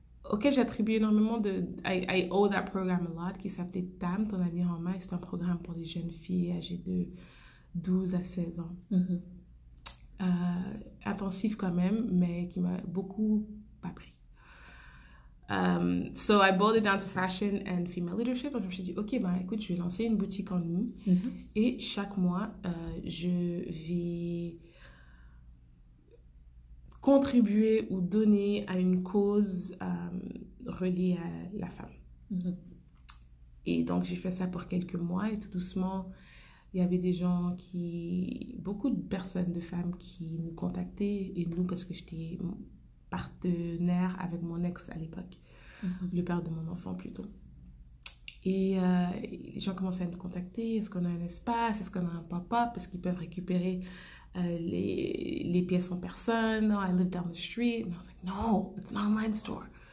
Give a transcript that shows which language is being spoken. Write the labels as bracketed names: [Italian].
[French] Ok, j'attribue énormément de. [English] I owe that program a lot, [French] qui s'appelait TAM, Ton Avenir en Main. C'est un programme pour les jeunes filles âgées de 12 à 16 ans. Intensif quand même, mais qui m'a beaucoup appris. [English] So I boiled it down to fashion and female leadership. [French] Donc je me suis dit, ok, bah, écoute, je vais lancer une boutique en ligne. Et chaque mois, je vais contribuer ou donner à une cause reliée à la femme. Et donc, j'ai fait ça pour quelques mois et tout doucement, il y avait des gens beaucoup de personnes, de femmes qui nous contactaient et nous, parce que j'étais partenaire avec mon ex à l'époque, le père de mon enfant plutôt. Et les gens commençaient à nous contacter, est-ce qu'on a un espace, est-ce qu'on a un pop-up, parce qu'ils peuvent récupérer. Les pièces en personne, [English] oh, I live down the street. And I was like, no, it's an online store.